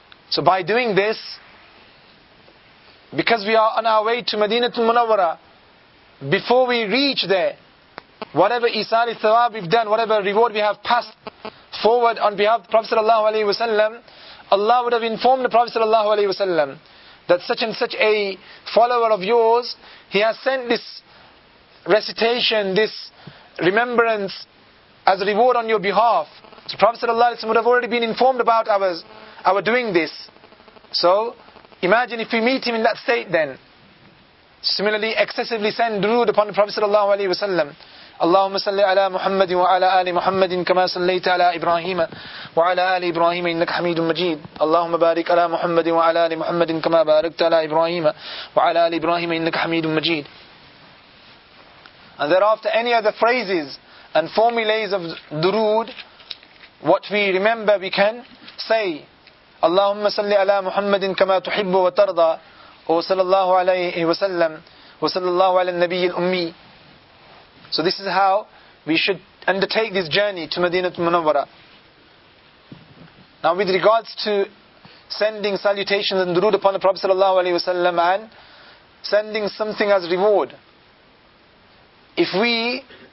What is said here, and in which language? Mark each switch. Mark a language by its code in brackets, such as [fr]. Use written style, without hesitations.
[en] So by doing this, because we are on our way to Madinatul Munawwara, before we reach there, whatever isal thawab we've done, whatever reward we have passed forward on behalf of the Prophet sallallahu alaihi wasallam, Allah would have informed the Prophet sallallahu alaihi wasallam that such and such a follower of yours, he has sent this recitation, this remembrance as a reward on your behalf. So Prophet sallallahu alaihi wasallam would have already been informed about our doing this. So imagine if we meet him in that state then. Similarly, excessively send durood upon the Prophet sallallahu alaihi wasallam. [ar] اللهم صل على محمد وعلى آل محمد كما صليت على إبراهيم وعلى آل إبراهيم إنك حميد مجيد اللهم بارك على محمد وعلى آل محمد كما باركت على إبراهيم وعلى آل إبراهيم إنك حميد مجيد. [en] And thereafter any other phrases and formulas of durood, what we remember we can say. [ar] اللهم صل على محمد كما تحب وترضى وصلى الله عليه وسلم وصلى الله على النبي الأمي. [en] So this is how we should undertake this journey to Madinatul Munawwara. Now with regards to sending salutations and durood upon the Prophet sallallahu alaihi wasallam and sending something as reward, if we